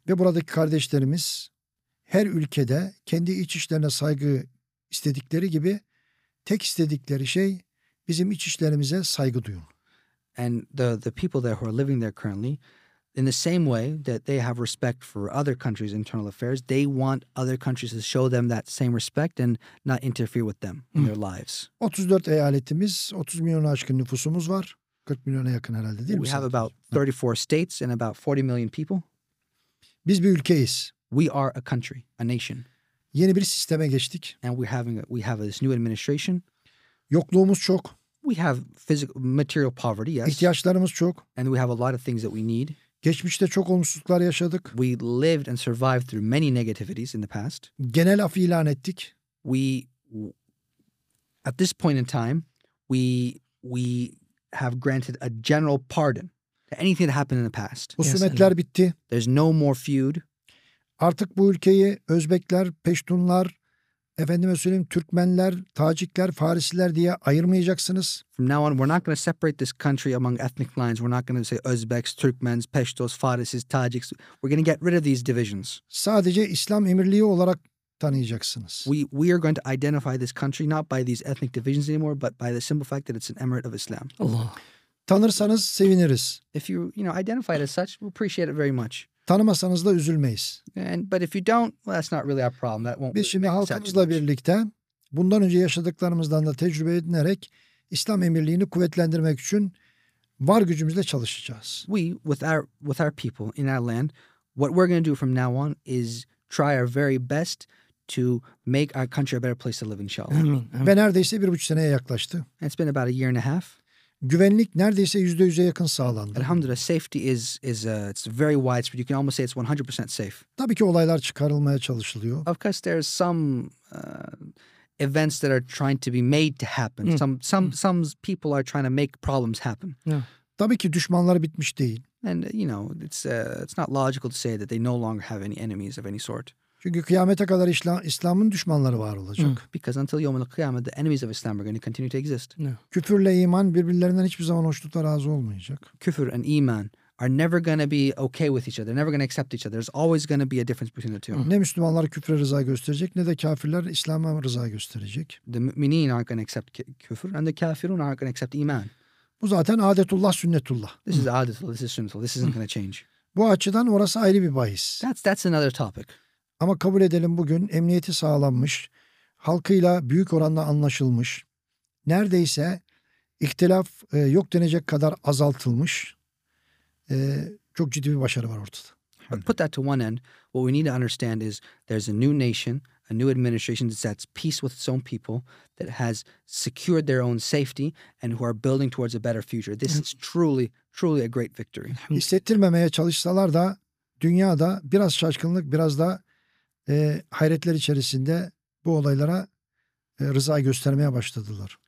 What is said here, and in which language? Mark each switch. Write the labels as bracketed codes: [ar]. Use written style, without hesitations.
[tr] Ve buradaki kardeşlerimiz her ülkede kendi iç işlerine saygı istedikleri gibi tek istedikleri şey bizim iç işlerimize saygı duyun. [en] And the people there who are living there currently, in the same way that they have respect for other countries' internal affairs, they want other countries to show them that same respect and not interfere with them in their lives. [tr] 34 eyaletimiz, 30 milyonu aşkın nüfusumuz var. 40 milyona yakın herhalde değil mi? [en] We have about 34 states and about 40 million people. [tr] Biz bir ülkeyiz. [en] We are a country, a nation. [tr] Yeni bir sisteme geçtik. [en] And we have this new administration. [tr] Yokluğumuz çok. [en] We have physical material poverty, yes. [tr] İhtiyaçlarımız çok. [en] And we have a lot of things that we need. [tr] Geçmişte çok olumsuzluklar yaşadık. [en] We lived and survived through many negativities in the past. [tr] Genel af ilan ettik. [en] We at this point in time, we have granted a general pardon to anything that happened in the past. [tr] Husumetler bitti. [en] There's no more feud. [tr] Artık bu ülkeyi Özbekler, Peştunlar, efendime söyleyeyim Türkmenler, Tacikler, Farisiler diye ayırmayacaksınız. [en] From now on we're not going to separate this country among ethnic lines. We're not going to say Özbeks, Türkmens, Peştos, Farisis, Tajiks. We're going to get rid of these divisions. [tr] Sadece İslam Emirliği olarak tanıyacaksınız. [en] We are going to identify this country not by these ethnic divisions anymore but by the simple fact that it's an emirate of Islam. [tr] Allah. Tanırsanız seviniriz. [en] If you identify it as such, we appreciate it very much. [tr] Tanımasanız da üzülmeyiz. [en] But if you don't, well, that's not really our problem. That won't. [tr] Biz şimdi halkımızla birlikte bundan önce yaşadıklarımızdan da tecrübe edinerek İslam Emirliğini kuvvetlendirmek için var gücümüzle çalışacağız. [en] We with our people in our land, what we're going to do from now on is try our very best to make our country a better place to live, inshallah. [tr] Ve neredeyse 1.5 seneye yaklaştı. [en] It's been about a year and a half. [tr] Güvenlik neredeyse %100'e yakın sağlandı. [en] Alhamdulillah, safety is very widespread. You can almost say it's 100% safe. [tr] Tabii ki olaylar çıkarılmaya çalışılıyor. [en] Of course, there are some events that are trying to be made to happen. Some people are trying to make problems happen. [tr] Yeah. Tabii ki düşmanlar bitmiş değil. [en] And you know, it's not logical to say that they no longer have any enemies of any sort. [tr] Çünkü kıyamete kadar İslam'ın düşmanları var olacak. Mm. [en] Because until yawm al-kıyamah, the enemies of Islam are going to continue to exist. No. [tr] Küfürle iman birbirlerinden hiçbir zaman hoşnutla razı olmayacak. [en] Küfür and iman are never going to be okay with each other. They're never going to accept each other. There's always going to be a difference between the two. Mm. [tr] Ne Müslümanlar küfre rıza gösterecek, ne de kafirler İslam'a rıza gösterecek. [en] The mu'minin aren't going to accept küfür and the kafirun aren't going to accept iman. [tr] Bu zaten adetullah, sünnetullah. [en] This is adetullah, this is sünnetullah. This isn't going to change. [tr] Bu açıdan orası ayrı bir bahis. [en] That's another topic. [tr] Ama kabul edelim bugün emniyeti sağlanmış, halkıyla büyük oranda anlaşılmış, neredeyse ihtilaf yok denecek kadar azaltılmış, çok ciddi bir başarı var ortada. [en] But put that to one end, what we need to understand is there's a new nation, a new administration that's at peace with its own people, that has secured their own safety and who are building towards a better future. This is truly, truly a great victory. [tr] Hissettirmemeye çalışsalar da dünyada biraz şaşkınlık, biraz da hayretler içerisinde bu olaylara rıza göstermeye başladılar.